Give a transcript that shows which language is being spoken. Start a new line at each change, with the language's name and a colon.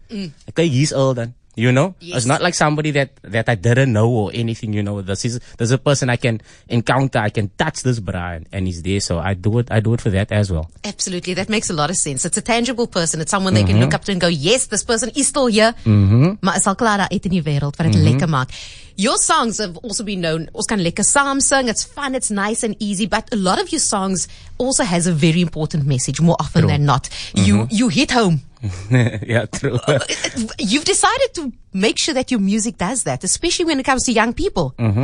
English: Mm. Okay, he's all done. You know, yes. It's not like somebody that I didn't know or anything, you know. There's a person I can encounter, I can touch this Brian, and he's there. So I do it for that as well. Absolutely. That makes a lot of sense. It's a tangible person. It's someone they can look up to and go, yes, this person is still here.
Afrikaans: Maar is al klaar daar uit in die wereld, wat het lekker maak.
English: Your songs have also been known,
Afrikaans: ons kan lekker saam sing.
English: It's fun, it's nice and easy. But a lot of your songs also has a very important message, more often than not. You hit home. Yeah, true. You've decided to make sure that your music does that, especially when it comes to young people.